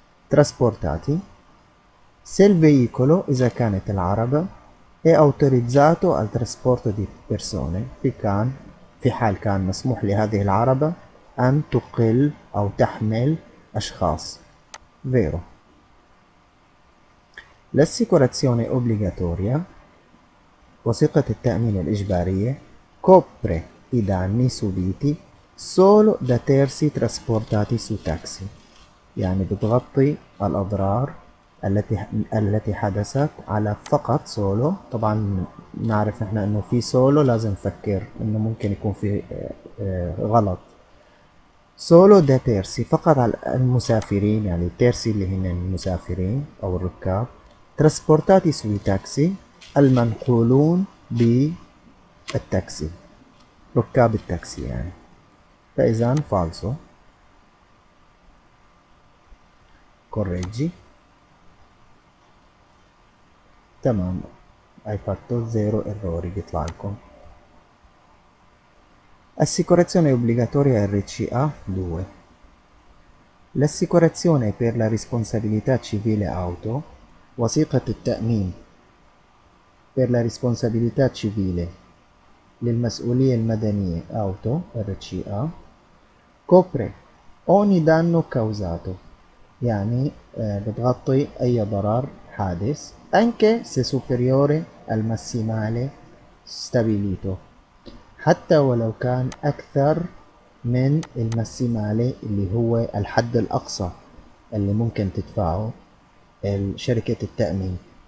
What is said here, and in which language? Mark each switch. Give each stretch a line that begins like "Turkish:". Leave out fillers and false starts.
Arabic: ترسبورتاتي
Italian: se il veicolo،
Arabic: إذا كانت العربة،
Italian: è autorizzato al trasporto di persone،
Arabic: في حال كان مسموح لهذه العربة أن تقل أو تحمل أشخاص.
Italian: vero. L'assicurazione obbligatoria,
Arabic: wasiqat al-ta'min al-ijbari,
Italian: copre i danni subiti solo da terzi trasportati su taxi.
Arabic: يعني بتغطي الأضرار التي حدثت على فقط solo. طبعا نعرف نحن انه في solo لازم نفكر انه ممكن يكون في غلط.
Italian: solo da terzi،
Arabic: فقط على المسافرين، يعني terzi اللي هن المسافرين او الركاب.
Italian: trasportati sui taxi،
Arabic: المنقولون بالتاكسي، ركاب التاكسي يعني. فإذا فالسو،
Italian: correggi. تمام، hai fatto zero errori،
Arabic: بيطلع لكم.
Italian: assicurazione obbligatoria RCA 2. l'assicurazione per la responsabilità civile auto،
Arabic: وثيقة التأمين
Italian: per la responsabilità civile
Arabic: للمسؤولية المدنية
Italian: auto RCA copre ogni danno causato،
Arabic: يعني بتغطي أي ضرر حادث،
Italian: anche se superiore al massimale stabilito،
Arabic: حتى ولو كان أكثر من المسيمالي اللي هو الحد الأقصى اللي ممكن تدفعه الشركة التأمين.